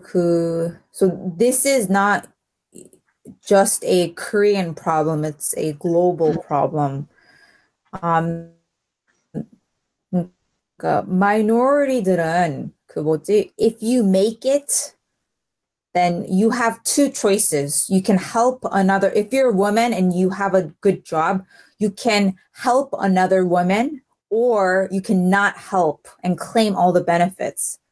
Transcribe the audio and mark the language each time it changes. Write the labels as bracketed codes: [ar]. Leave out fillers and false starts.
[en] 그 so this is not just a Korean problem. It's a global problem. [ko] 그러니까 마이너리들은 그 뭐지? [en] If you make it, then you have two choices. You can help another. If you're a woman and you have a good job, you can help another woman. Or you cannot help and claim all the benefits.